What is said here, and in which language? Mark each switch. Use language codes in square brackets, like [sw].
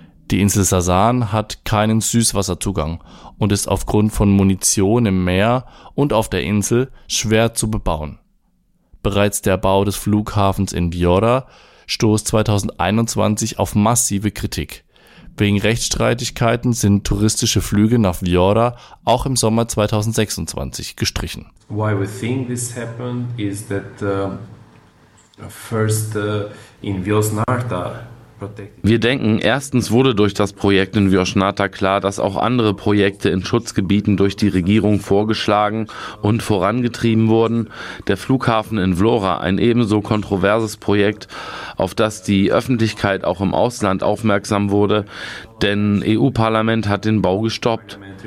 [de] Die Insel Sazan hat keinen Süßwasserzugang und ist aufgrund von Munition im Meer und auf der Insel schwer zu bebauen. Bereits der Bau des Flughafens in Viora stoß 2021 auf massive Kritik. Wegen Rechtsstreitigkeiten sind touristische Flüge nach Viora auch im Sommer 2026 gestrichen. [en] Why we think this happened is that in Viosnarta. [de] Wir denken, erstens wurde durch das Projekt in Viosnarta klar, dass auch andere Projekte in Schutzgebieten durch die Regierung vorgeschlagen und vorangetrieben wurden. Der Flughafen in Vlora, ein ebenso kontroverses Projekt, auf das die Öffentlichkeit auch im Ausland aufmerksam wurde, denn EU-Parlament hat den Bau gestoppt.